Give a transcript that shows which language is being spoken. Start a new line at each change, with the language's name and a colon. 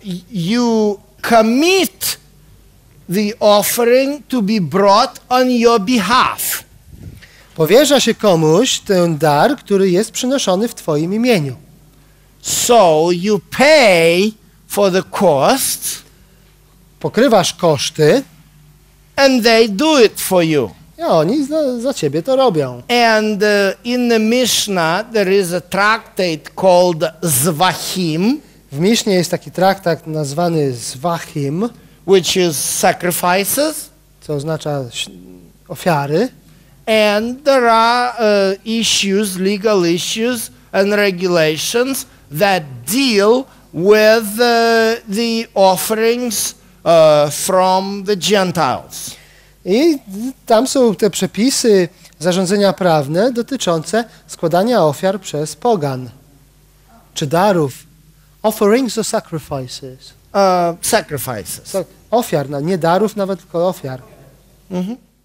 English: you commit the offering to be brought on your behalf.
Polish: Powierza się komuś ten dar, który jest przynoszony w twoim imieniu.
English: So you pay for the costs,
Polish: pokrywasz koszty,
English: and they do it for you.
Polish: I oni za ciebie to robią.
English: And in the Mishnah there is a tractate called Zvachim.
Polish: W Mishnie jest taki traktat nazwany Zvachim,
English: which is sacrifices,
Polish: co oznacza ofiary.
English: And there are issues, legal issues and regulations that deal with the offerings from the Gentiles.
Polish: I tam są te przepisy, zarządzenia prawne dotyczące składania ofiar przez pogan czy darów.
English: Offerings or sacrifices? Sacrifices.
Polish: Ofiar, nie darów nawet, tylko ofiar. Mhm.